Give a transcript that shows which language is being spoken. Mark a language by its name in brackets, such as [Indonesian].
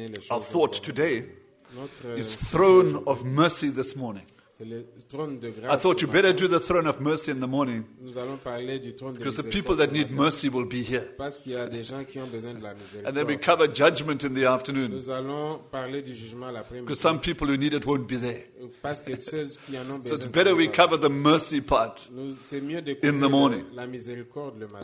[English] Our thought today is throne of mercy this morning. [French] C'est le trône de grâce. [English] I thought you better do the throne of mercy in the morning. [French] Nous allons parler du trône de [English] Because the people that need mercy will be here. [French] Parce qu'il y a des gens qui ont besoin de la miséricorde. [English] And then we cover judgment in the afternoon. [French] Nous allons parler du jugement l'après-midi. [English] Because some people who need it won't be there. [French] Parce que ceux qui en ont besoin. [English] So it's better we cover the mercy part. [French] C'est mieux de couvrir la miséricorde le matin.